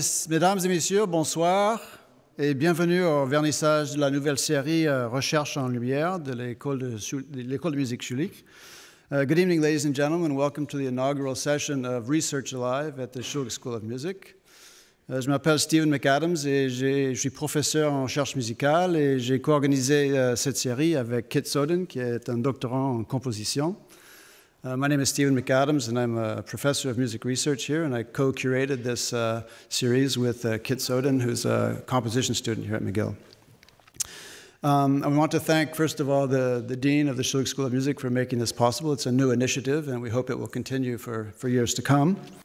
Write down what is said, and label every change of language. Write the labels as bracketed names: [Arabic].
[French] Mesdames et messieurs, bonsoir et bienvenue au vernissage de la nouvelle série Recherche en Lumière de l'École de musique Schulich. [English] Good evening, ladies and gentlemen. Welcome to the inaugural session of Research Alive at the Schulich School of Music. [French] Je m'appelle Stephen McAdams et je suis professeur en recherche musicale et j'ai co-organisé cette série avec Kit Soden, qui est un doctorant en composition. [English] My name is Stephen McAdams, and I'm a professor of music research here, and I co-curated this series with Kit Soden, who's a composition student here at McGill. I want to thank, first of all, the dean of the Schulich School of Music for making this possible. It's a new initiative, and we hope it will continue for years to come.